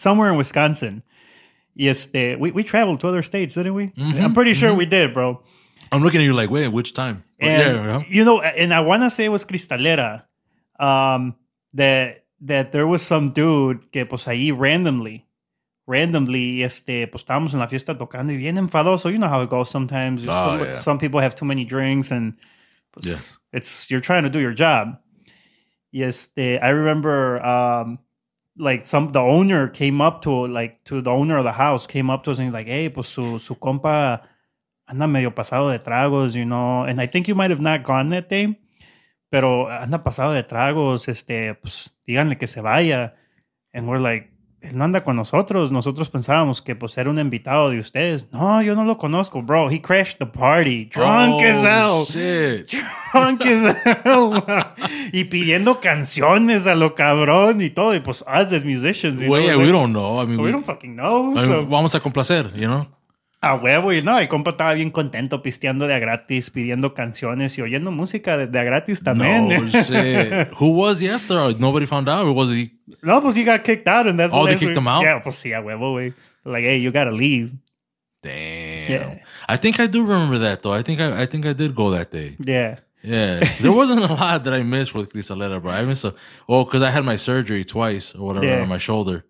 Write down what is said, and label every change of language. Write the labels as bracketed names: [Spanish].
[English] Somewhere in Wisconsin. We traveled to other states, didn't we? Mm-hmm. I'm pretty sure we did, bro. I'm looking at you like, wait, which time? And I want to say it was Cristalera that there was some dude [Spanish] que pues ahí [English] randomly. [Spanish] Pues estábamos en la fiesta tocando y bien enfadoso. [English] You know how it goes sometimes. Some people have too many drinks and you're trying to do your job. I remember the owner came up to the owner of the house, came up to us and he's like, hey, [Spanish] pues su compa anda medio pasado de tragos, [English] you know. And I think you might have not gone that day, [Spanish] pero anda pasado de tragos, pues díganle que se vaya. [English] And we're like, [Spanish] él no anda con nosotros. Nosotros pensábamos que pues era un invitado de ustedes. No, yo no lo conozco, [English] bro. He crashed the party. Drunk as hell. Shit. Drunk as hell. [Spanish] Y pidiendo canciones a lo cabrón y todo. Y pues [English] us as musicians. We don't know. I mean, we don't fucking know. I mean, so, [Spanish] vamos a complacer, [English] you know. [Spanish] A huevo. Y no, el compa estaba bien contento pisteando de a gratis, pidiendo canciones y oyendo música de a gratis también. [English] No, shit. Who was he after? Nobody found out or was he? No, pues he got kicked out and that's all. Oh, they kicked him out? Yeah, [Spanish] pues sí, a huevo, güey. [English] Like, hey, you gotta leave. Damn. Yeah. I think I do remember that, though. I think I did go that day. Yeah. Yeah. There wasn't a lot that I missed with Cristalera, bro. I missed because I had my surgery twice or whatever on my shoulder.